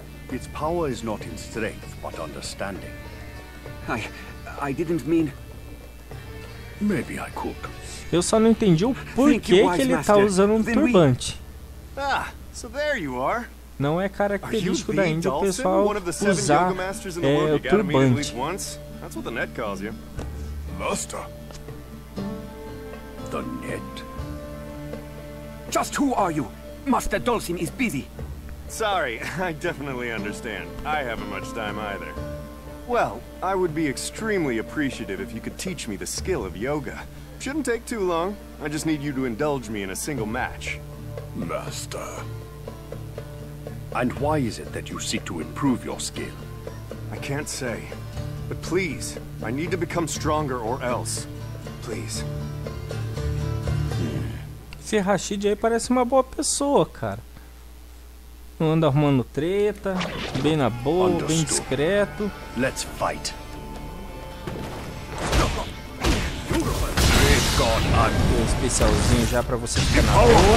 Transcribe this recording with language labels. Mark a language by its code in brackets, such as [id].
[en] Its power is not in strength, but understanding. I didn't mean. Maybe I could. [pt] Eu só não entendi o porquê que ele tá usando um turbante. [en] Ah, so there you are. [pt] Não é característico da Índia o pessoal usar o turbante. [en] That's what the net calls you. Master. The net. Just who are you? Master Dhalsim is busy. Sorry, I definitely understand. I haven't much time either. Well, I would be extremely appreciative if you could teach me the skill of yoga. Shouldn't take too long. I just need you to indulge me in a single match. Master. And why is it that you seek to improve your skill? I can't say. But please, I need to become stronger or else. Please. [pt] Esse Rashid aí parece uma boa pessoa, cara. Não anda arrumando treta, bem na boa, understood. Bem discreto. [en] Let's fight. [pt] Um especialzinho já pra você ficar na boa.